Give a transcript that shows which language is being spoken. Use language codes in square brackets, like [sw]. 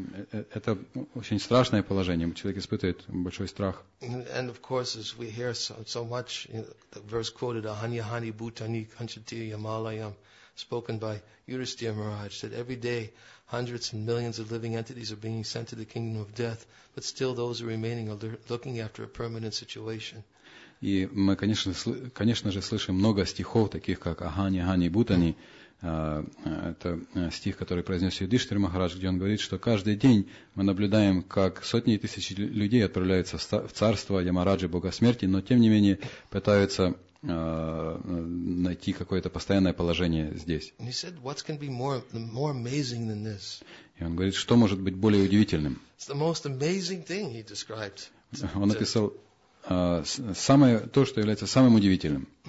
[ru] Это очень страшное положение. Человек испытывает большой страх. [en] And of course, as we hear so much, you know, the verse quoted, [sa] Ahanyahani Bhutani Kanchati Yamalayam, [en] spoken by Yudhisthira Maharaj, that every day hundreds and millions of living entities are being sent to the kingdom of death, but still those who are remaining are looking after a permanent situation. [ru] И мы, конечно же, слышим много стихов, таких как [sa] Ахани-Хани Бутани. [ru] Это стих, который произнес Юдиштир Махарадж, где он говорит, что каждый день мы наблюдаем, как сотни и тысячи людей отправляются в царство Ямараджи, Бога Смерти, но тем не менее пытаются найти какое-то постоянное положение здесь. [en] Said, more [ru] и он говорит, что может быть более удивительным. [en] It's the most amazing thing he described. [ru] Он написал самое, то, что является самым удивительным.